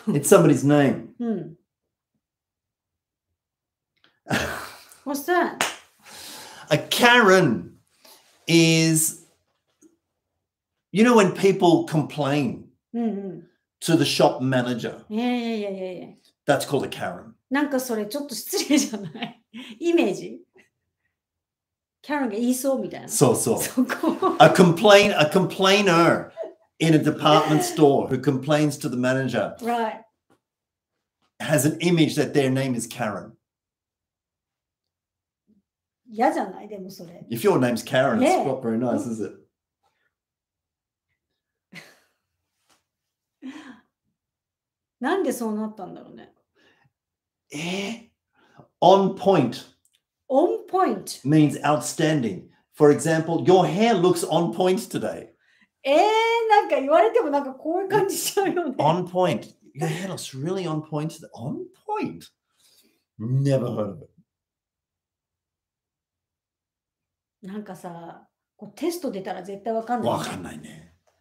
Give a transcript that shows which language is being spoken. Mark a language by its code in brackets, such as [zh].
[en] It's somebody's name. What's that? A Karen is, you know, when people complain to the shop manager. Yeah. That's called a Karen. [ja] なんかそれちょっと失礼じゃない? イメージ?Karen が言いそうみたいな。そうそう。 [en] A complainer. In a department store who complains to the manager has an image that their name is Karen. If your name's Karen, it's not very nice, is it? [ja] なんでそうなったんだろうね? [en] On point. On point. Means outstanding. For example, your hair looks on point today. [ja] なんか言われてもなんかこういう感じしちゃうよね。 [en] On point. Your hair looks really on point today. On point? Never heard of it. [ja] なんかさ、こうテスト出たら絶対わかんない。わかんないね。